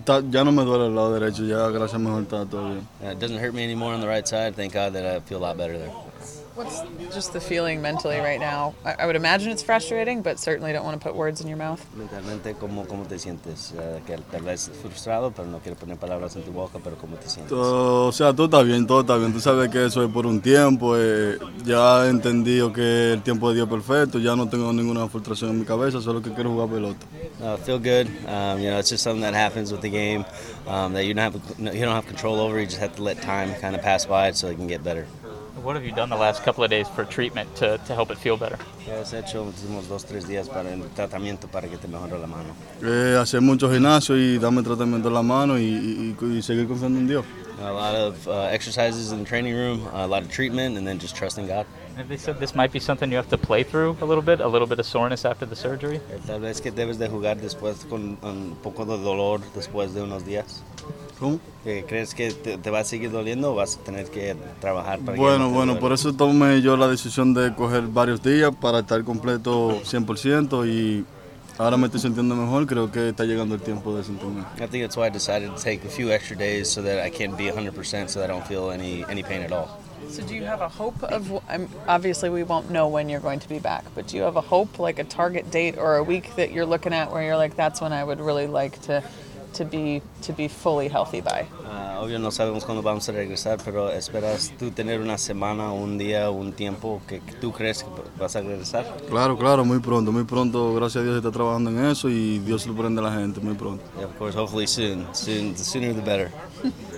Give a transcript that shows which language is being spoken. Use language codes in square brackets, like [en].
[es] Ya no me duele el lado derecho, ya gracias mejor está todo bien. [en] It doesn't hurt me anymore on the right side, thank God that I feel a lot better there. What's just the feeling mentally right now? I would imagine it's frustrating, but certainly don't want to put words in your mouth. [es] Mentalmente, ¿cómo te sientes? Que tal vez frustrado, pero no quiero poner palabras en tu boca, pero ¿cómo te sientes? Todo está bien. Tú sabes que eso es por un tiempo. Ya he entendido que el tiempo de Dios es perfecto. Ya no tengo ninguna frustración en mi cabeza, solo que quiero jugar pelota. [en] Feel good. It's just something that happens with the game that you don't have control over. You just have to let time kind of pass by so it can get better. What have you done the last couple of days for treatment to help it feel better? [es] Yes, hecho últimos dos tres días para el tratamiento para que te mejore la mano. Hacer mucho gimnasio y darme tratamiento en la mano y seguir confiando en Dios. [en] A lot of exercises in the training room, a lot of treatment, and then just trusting God. And they said this might be something you have to play through a little bit of soreness after the surgery. [es] Tal vez que debes de jugar después con un poco de dolor después de unos días. ¿Crees que te va a seguir doliendo o vas a tener que trabajar? Bueno, por eso tomé yo la decisión de coger varios días para estar completo 100% y ahora me estoy sintiendo mejor. Creo que está llegando el tiempo de sentirme. [en] I think that's why I decided to take a few extra days so that I can be 100% so that I don't feel any pain at all. So do you have a hope of, obviously we won't know when you're going to be back, but do you have a hope, like a target date or a week that you're looking at where you're like, that's when I would really like to be fully healthy by? [es] Obvio no sabemos cuándo vamos a regresar, pero ¿esperas tú tener una semana, un día, un tiempo que tú crees que vas a regresar? Claro, muy pronto, gracias a Dios está trabajando en eso y Dios lo prende a la gente, muy pronto. [en] Yeah, of course, hopefully soon, the sooner the better.